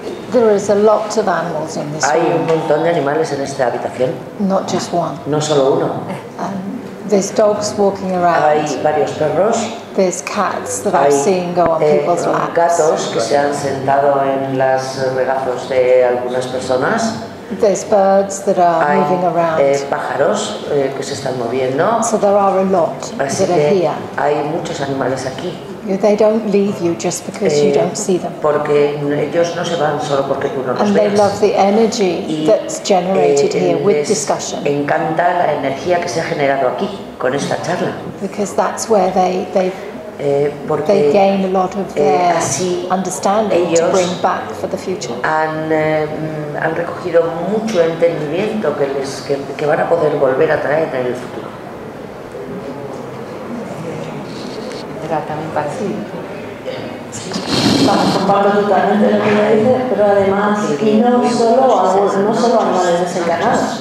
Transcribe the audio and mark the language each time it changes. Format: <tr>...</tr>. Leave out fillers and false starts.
<en>There is a lot of animals in this</en> <es>room. Hay un montón de animales en esta habitación.</es> <en>Not just one.</en> <es>No solo uno.</es> <en>There's dogs walking around.</en> <es>Hay varios perros.</es> <en>There's cats that I've seen go on people's laps.</en> <es>Hay gatos que se han sentado en los regazos de algunas personas.</es> <en>There's birds that are moving around.</en> <es>Hay pájaros que se están moviendo.</es> <en>So there are a lot that are here.</en> <es>Hay muchos animales aquí.</es> <en>They don't leave you just because you don't see them.</en> <es>Porque ellos no se van solo porque tú no los</es> <en>and</en> <es>veas.</es> <en>They love the energy that's generated here with discussion.</en> <es>Encanta la energía que se ha generado aquí con esta charla.</es> <en>Because that's where they porque they gain a lot of their understanding to bring back for the future.</en> <es>Han, han recogido mucho entendimiento que, les, que, que van a poder volver a traer en el futuro. Vamos, comparto totalmente lo que me dice, pero además, y no solo a madres desencarnadas.</es>